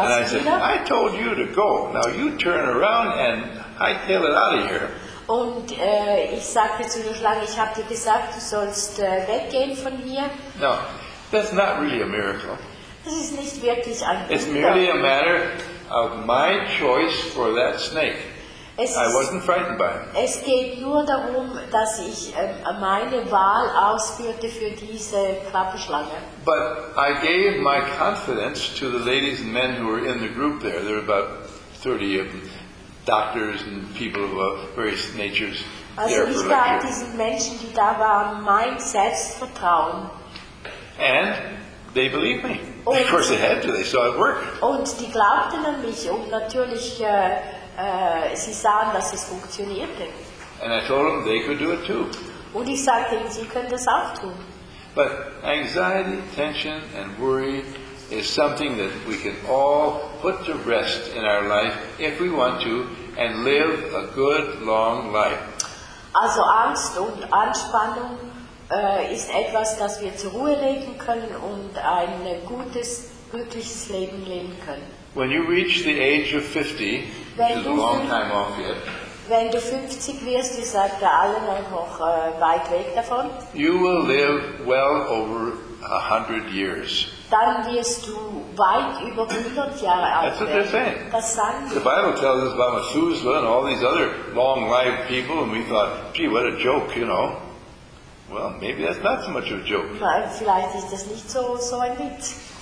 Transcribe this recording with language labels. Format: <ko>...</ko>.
<en>and</en> <de>es</de> <en>I</en> <de>wieder.</de> <en>Said, I told you to go. Now you turn around and I tail it out of here.</en> <de>Und ich sagte zu der Schlange, ich habe dir gesagt, du sollst weggehen von hier.</de> <en>No, that's not really a miracle.</en> <de>Das ist nicht wirklich ein Wunder.</de> <en>It's merely a matter of my choice for that snake. I wasn't frightened by him.</en> <de>Es geht nur darum, dass ich meine Wahl ausführte für diese Klapperschlange.</de> <en>But I gave my confidence to the ladies and men who were in the group there. There were about 30 of them. Doctors and people of various natures.</en> <de>Also ich gab diesen Menschen, die da waren, mein Selbstvertrauen.</de> <en>And they believed me. Of course they had to, they saw it work.</en> <de>Und die glaubten an mich und natürlich sie sahen, dass es funktionierte.</de> <en>And I told them they could do it too.</en> <de>Und ich sagte ihnen, sie können das auch tun.</de> <en>But anxiety, tension and worry is something that we can all put to rest in our life if we want to and live a good long life.</en> <de>Also Angst und Anspannung ist etwas, das wir zur Ruhe legen können und ein gutes, glückliches Leben leben können.</de> <en>When you reach the age of 50, which is a long time off yet,</en> <de>wenn du 50 wirst, ich sag da alle noch weit weg davon,</de> <en>you will live well over 100 years.</en> <de>Dann wirst du weit über 100 Jahre alt werden.</de> <en>That's what they're saying.</en> <de>Das sagen die.</de> <en>The Bible tells us about Methuselah and all these other long-lived people, and we thought, gee, what a joke, you know. Well, maybe that's not so much of a joke.</en> <de>Vielleicht ist das nicht so ein Witz.</de>